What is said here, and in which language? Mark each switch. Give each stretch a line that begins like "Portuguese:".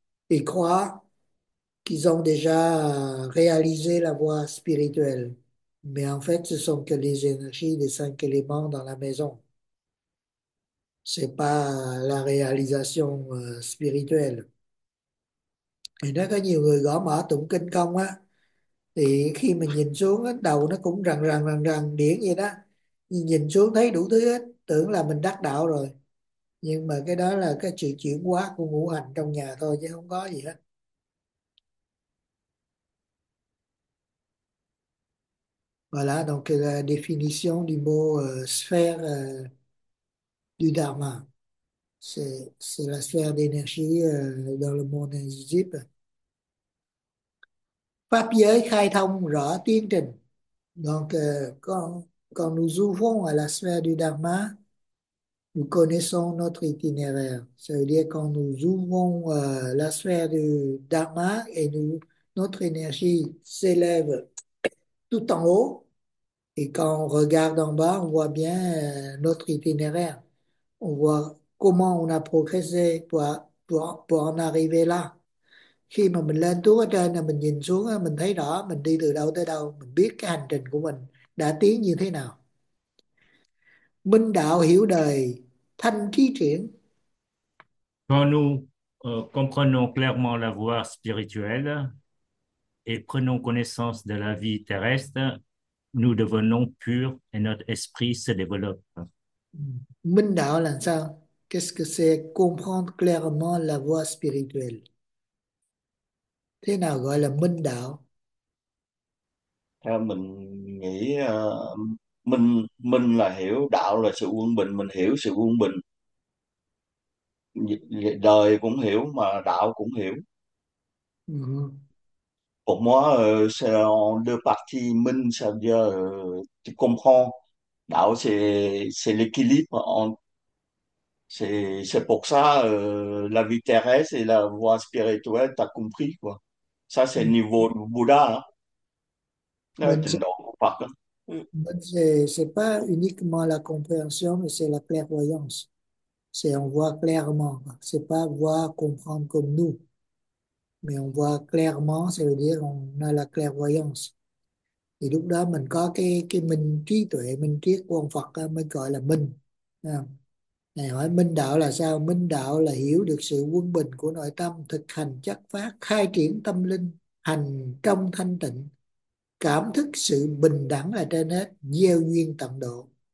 French: Ils croient qu'ils ont déjà réalisé la voie spirituelle, mais en fait, ce sont que les énergies des cinq éléments dans la maison. C'est pas la réalisation spirituelle. Et là,
Vietnamese: có nhiều người gõ mõ tụng kinh không á. Thì khi mình nhìn xuống đầu nó cũng rần rần điển vậy đó, nhìn xuống thấy đủ thứ hết, tưởng là mình đắc đạo rồi, nhưng mà cái đó là cái sự chuyển hóa của ngũ hành trong nhà thôi chứ không có gì hết.
French: Voilà donc la définition du mot sphère du dharma, c'est la sphère d'énergie dans le monde invisible.
Vietnamese: Pháp giới khai thông rõ tiến trình.
French: Donc, quand nous ouvrons à la sphère du Dharma, nous connaissons notre itinéraire. Ça veut dire quand nous ouvrons la sphère du Dharma et notre énergie s'élève tout en haut, et quand on regarde en bas, on voit bien notre itinéraire. On voit comment on a progressé pour en arriver là.
Vietnamese: Khi mà mình lên tu ở trên là mình nhìn xuống là mình thấy rõ mình đi từ đâu tới đâu, mình biết cái hành trình của mình đã tiến như thế nào. Minh đạo hiểu đời, thanh trí triển.
French: Quand nous comprenons clairement la voie spirituelle et prenons connaissance de la vie terrestre, nous devenons purs et notre esprit se développe.
Vietnamese: Minh đạo là sao?
French: Qu'est-ce que c'est comprendre clairement la voie spirituelle?
Vietnamese: Thế nào gọi là minh đạo? Theo mình nghĩ mình là hiểu đạo là sự quân bình, mình hiểu sự quân bình. Đời cũng hiểu mà đạo cũng hiểu.
French: Pour moi, c'est en deux parties. Minh, ça veut dire tu comprends. Đạo, c'est l'équilibre. C'est pour ça la vie terrestre et la voie spirituelle, tu as compris, quoi. Ça, c'est le niveau du Bouddha. Hein. Mais
Vietnamese: Trình độ của Phật. Hein.
French: c'est pas uniquement la compréhension, mais c'est la clairvoyance. C'est on voit clairement. C'est pas voir, comprendre comme nous. Mais on voit clairement, ça veut dire on a la clairvoyance. Et
Vietnamese: lúc đó mình có cái minh trí tuệ, minh triết của ông Phật mới gọi là minh. Này hỏi minh đạo là sao? Minh đạo là hiểu được sự quân bình của nội tâm, thực hành chất phát, khai triển tâm linh, hành trong thanh tịnh, cảm thức sự bình đẳng là trên hết, gieo duyên tận độ.